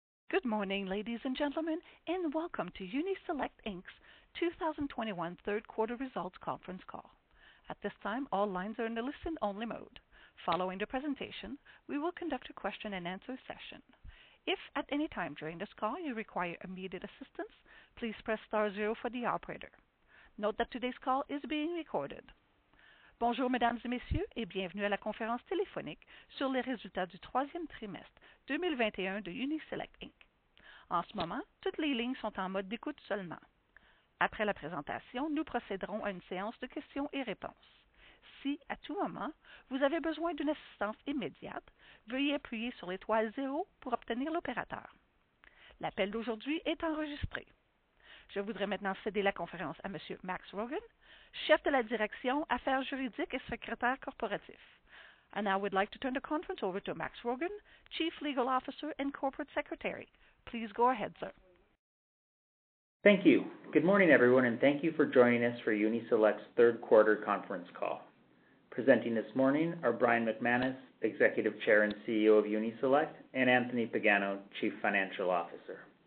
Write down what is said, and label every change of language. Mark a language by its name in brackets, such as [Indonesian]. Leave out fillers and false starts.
[English] Good morning, ladies and gentlemen, and welcome to Uni-Select Inc's 2021 third quarter results conference call. At this time, all lines are in a listen-only mode. Following the presentation, we will conduct a question and answer session. If at any time during this call you require immediate assistance, please press star zero for the operator. Note that today's call is being recorded. [French] Bonjour, mesdames et messieurs, et bienvenue à la conférence téléphonique sur les résultats du troisième trimestre 2021 de Uni-Select Inc. En ce moment, toutes les lignes sont en mode d'écoute seulement. Après la présentation, nous procéderons à une séance de questions et réponses. Si, à tout moment, vous avez besoin d'une assistance immédiate, veuillez appuyer sur l'étoile 0 pour obtenir l'opérateur. L'appel d'aujourd'hui est enregistré. Je voudrais maintenant céder la conférence à M. Max Rogan, chef de la direction Affaires juridiques et secrétaire corporatif. [English] And I would like to turn the conference over to Max Rogan, Chief Legal Officer and Corporate Secretary. Please go ahead, sir. Thank you. Good morning, everyone, and thank you for joining us for Uni-Select's third quarter conference call. Presenting this morning are Brian McManus, Executive Chair and CEO of Uni-Select, and Anthony Pagano, Chief Financial Officer.